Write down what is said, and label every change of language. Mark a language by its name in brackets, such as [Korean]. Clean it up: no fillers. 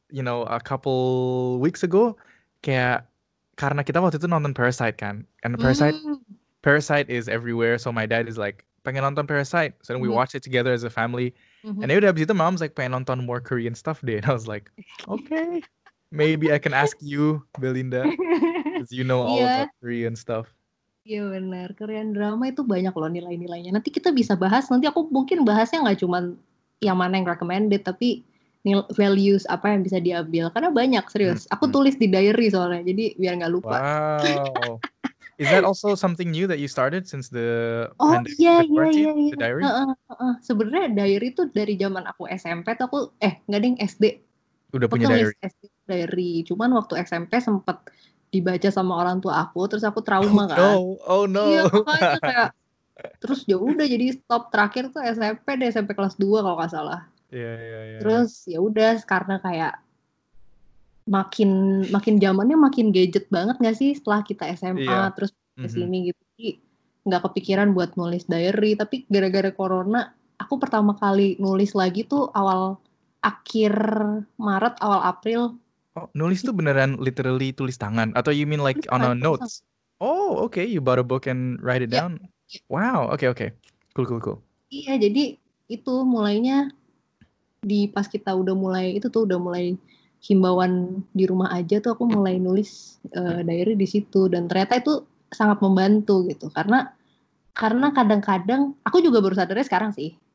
[English] You know, a couple weeks ago, [Indonesian] kayak karena kita waktu itu nonton Parasite kan, [English] and Parasite is everywhere. So my dad is like, [Indonesian] pengen nonton Parasite. [English] So then we watch it together as a family. And then [Indonesian] abis itu [English] mom's like, [Indonesian] pengen nonton [English] more Korean stuff [Indonesian] deh. [English] And I was like, okay, maybe I can ask you, Belinda, because you know all about Korean stuff. [Indonesian] Iya benar, Korean drama itu banyak loh nilai-nilainya. Nanti kita bisa bahas. Nanti aku mungkin bahasnya nggak cuma yang mana yang recommended, tapi values apa yang bisa diambil, karena banyak, serius. Aku tulis di diary soalnya, jadi biar nggak lupa. [English] Wow. Is that also something new that you started since the pandemic? Oh iya. [Indonesian] Sebenarnya diary itu dari zaman aku SMP tuh aku SD. Udah punya diary. Diary. Cuman waktu SMP sempet dibaca sama orang tua aku, terus aku trauma kan. Oh no. Iya, makanya kayak terus ya udah jadi stop terakhir tuh SMP deh, SMP kelas 2 kalau enggak salah. Iya. Terus ya udah karena kayak makin zamannya makin gadget banget enggak sih setelah kita SMA terus ke sini gitu. Jadi enggak kepikiran buat nulis diary, tapi gara-gara corona aku pertama kali nulis lagi tuh awal akhir Maret awal April. [English] Oh, [Indonesian] nulis tuh beneran [English] literally [Indonesian] tulis tangan atau [English] you mean like on a notes? Oh, okay, you bought a book and write it down. Wow, okay. Cool. [Indonesian] Iya, jadi itu mulainya di pas kita udah mulai itu tuh udah mulai himbauan di rumah aja tuh aku mulai nulis diary di situ dan ternyata itu sangat membantu gitu. Karena kadang-kadang aku juga baru sadarnya sekarang sih.